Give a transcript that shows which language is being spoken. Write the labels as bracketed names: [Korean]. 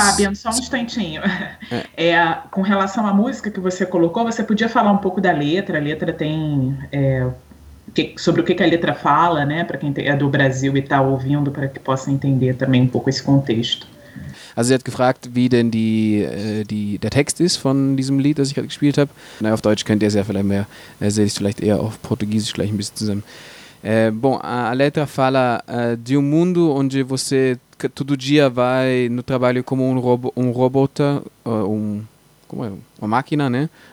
[Portuguese] Fabian, só um instantinho. Com relação à música que você colocou, você podia falar um pouco da letra? A letra tem... sobre o que a letra fala, né? Para quem é do Brasil e está ouvindo, para que possa entender também um pouco esse contexto. [German] Also, sie hat gefragt, wie denn der Text ist von diesem Lied, das ich gerade gespielt habe. Na, auf Deutsch könnt ihr es ja vielleicht mehr. Sehe ich es vielleicht eher auf Portugiesisch gleich ein bisschen zusammen. [Portuguese] A letra fala de mundo onde você... todo dia vai no trabalho como uma máquina, né?